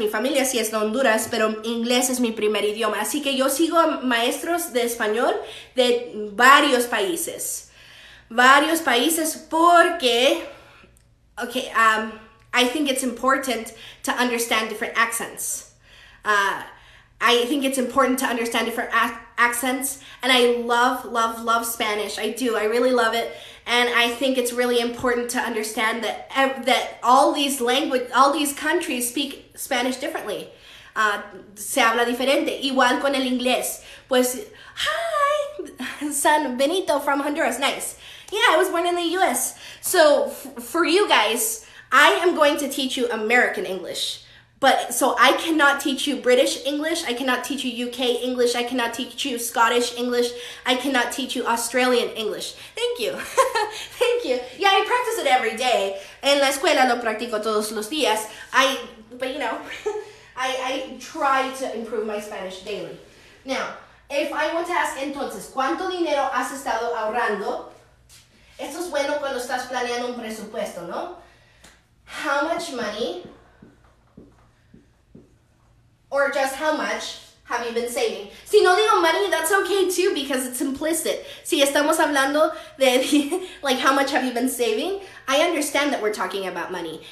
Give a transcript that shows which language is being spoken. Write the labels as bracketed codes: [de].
[es] Mi familia sí es de Honduras, pero inglés es mi primer idioma. Así que yo sigo maestros de español de varios países. Varios países porque, [en] I think it's important to understand different accents. I think it's important to understand different accents, and I love Spanish. I do. I really love it, and I think it's really important to understand that all these countries speak Spanish differently. [es] Se habla diferente. Igual con el inglés. Pues, [en] hi, [es] San Benito [en] from Honduras. Nice. Yeah, I was born in the U.S. So for you guys, I am going to teach you American English. But so I cannot teach you British English, I cannot teach you UK English, I cannot teach you Scottish English, I cannot teach you Australian English. Thank you. Thank you. Yeah, I practice it every day. [es] En la escuela lo practico todos los días. [en] I try to improve my Spanish daily. Now, If I want to ask, [es] entonces, ¿cuánto dinero has estado ahorrando? Esto es bueno cuando estás planeando un presupuesto, ¿no? [en] How much money, or just how much, have you been saving? [es] Si no digo [en] money, that's okay too, because it's implicit. [es] Si estamos hablando de, [en] like, how much have you been saving, I understand that we're talking about money.